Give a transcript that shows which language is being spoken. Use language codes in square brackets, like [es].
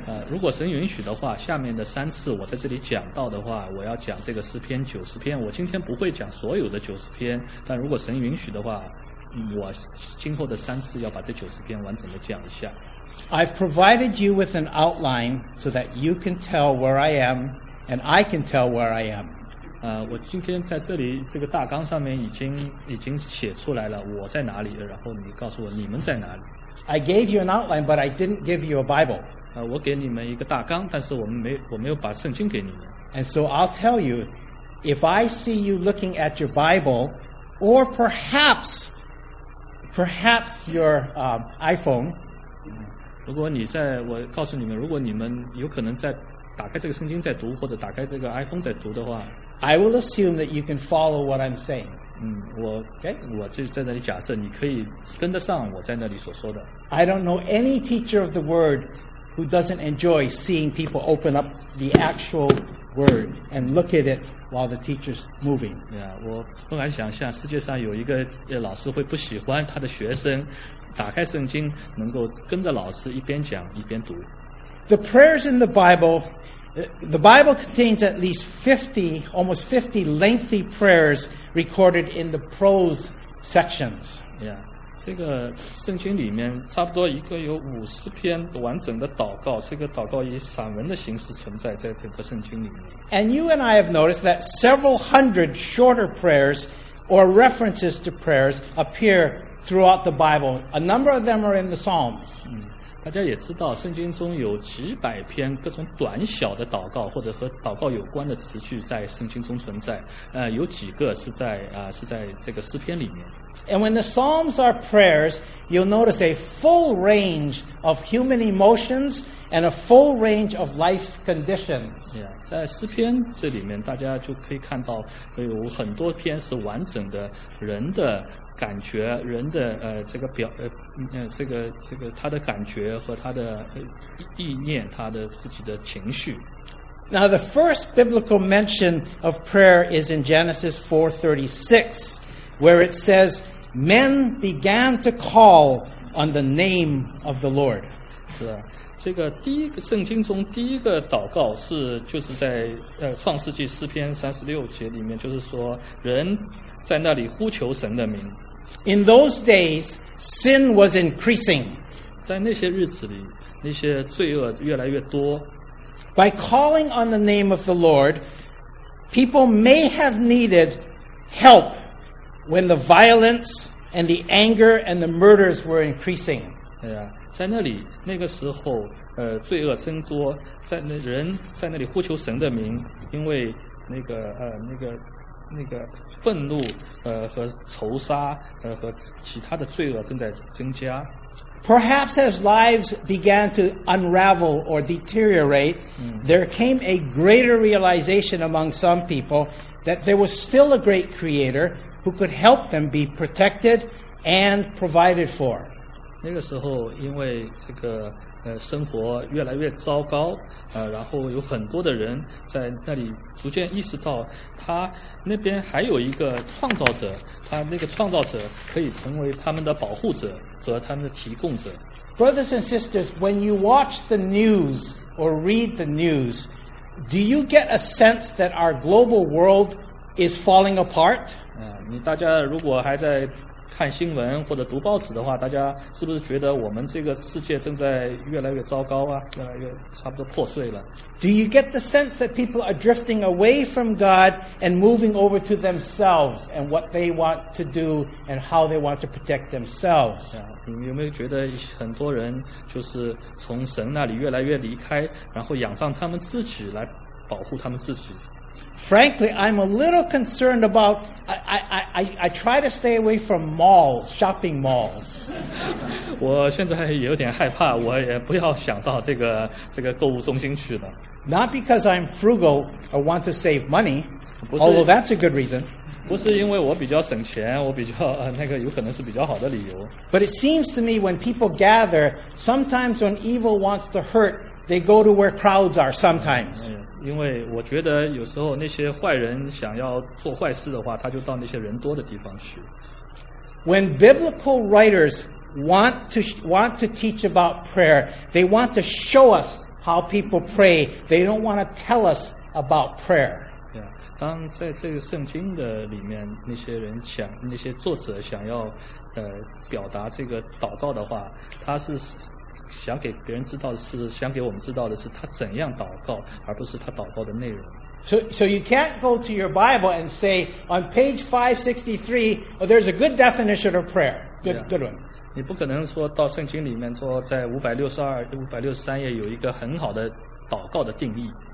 [zh] 如果神允许的话，下面的三次我在这里讲到的话，我要讲这个诗篇九十篇。我今天不会讲所有的九十篇，但如果神允许的话，我今后的三次要把这九十篇完整的讲一下。 [en] I've provided you with an outline so that you can tell where I am, and I can tell where I am. [zh] 我今天在这里这个大纲上面已经写出来了，我在哪里，然后你告诉我你们在哪里。 [en] I gave you an outline, but I didn't give you a Bible. [zh] 我给你们一个大纲，但是我没有把圣经给你们。 [en] And so I'll tell you, if I see you looking at your Bible, or perhaps your iPhone. [zh] 如果你在，我告诉你们，如果你们有可能在打开这个圣经在读，或者打开这个 iPhone 在读的话 [en] ，I will assume that you can follow what I'm saying. [zh] 我就在那里假设你可以跟得上我在那里所说的。 [en] I don't know any teacher of the word who doesn't enjoy seeing people open up the actual word and look at it while the teacher's moving. Yeah, [zh] 我不敢想象世界上有一个老师会不喜欢他的学生打开圣经，能够跟着老师一边讲一边读。 [en] The prayers in the Bible contains at least 50, almost 50 lengthy prayers recorded in the prose sections. Yeah, [zh] 这个圣经里面差不多一个有五十篇完整的祷告，这个祷告以散文的形式存在在整个圣经里面。 [en] And you and I have noticed that several hundred shorter prayers or references to prayers appear throughout the Bible. A number of them are in the Psalms. [zh] 大家也知道，圣经中有几百篇各种短小的祷告，或者和祷告有关的词句，在圣经中存在。有几个是在是在这个诗篇里面。 [en] And when the Psalms are prayers, you'll notice a full range of human emotions and a full range of life's conditions. Yeah, [zh] 在诗篇这里面，大家就可以看到有很多篇是完整的人的。感觉人的这个表这个他的感觉和他的意念他的自己的情绪。 [en] Now the first biblical mention of prayer is in Genesis 4:36, where it says, "Men began to call on the name of the Lord." [zh] 是的，这个第一个圣经中第一个祷告是就是在创世纪诗篇36节里面，就是说人在那里呼求神的名。 [en] In those days, sin was increasing. [zh] 在那些日子里，那些罪恶越来越多。 [en] By calling on the name of the Lord, people may have needed help when the violence and the anger and the murders were increasing. [zh] 对啊，在那里，那个时候，罪恶增多，在那人在那里呼求神的名，因为那个愤怒和仇杀和其他的罪恶正在增加。 [en] Perhaps as lives began to unravel or deteriorate, there came a greater realization among some people that there was still a great creator who could help them be protected and provided for. [zh] 那个时候因为这个生活越来越糟糕然后有很多的人在那里逐渐意识到他那边还有一个创造者他那个创造者可以成为他们的保护者和他们的提供者。 [en] Brothers and sisters, when you watch the news or read the news, do you get a sense that our global world is falling apart? [zh] 你大家如果还在看新闻或者读报纸的话，大家是不是觉得我们这个世界正在越来越糟糕啊？越来越差不多破碎了。 [en] Do you get the sense that people are drifting away from God and moving over to themselves and what they want to do and how they want to protect themselves? [zh] 你有没有觉得很多人就是从神那里越来越离开，然后仰仗他们自己来保护他们自己？ [en] Frankly, I'm a little concerned about. I try to stay away from malls, shopping malls. [zh] 我现在有点害怕，我也不要想到这个购物中心去了。 [en] Not because I'm frugal or want to save money, although that's a good reason. [zh] 不是因为我比较省钱，我比较那个有可能是比较好的理由。 [en] But it seems to me when people gather, sometimes when evil wants to hurt, they go to where crowds are. Sometimes. [zh] 因为我觉得有时候那些坏人想要做坏事的话，他就到那些人多的地方去。 [en] When biblical writers want to teach about prayer, they want to show us how people pray. They don't want to tell us about prayer. Yeah, [zh] 当在这个圣经的里面，那些作者想要表达这个祷告的话，他是。想给别人知道的是想给我们知道的是他怎样祷告而不是他祷告的内容 [en] so you can't go to your Bible and say on page 563 oh, there's a good definition of prayer good one [zh] 你不可能说到圣经里面说在563页有一个很好的祷告的定义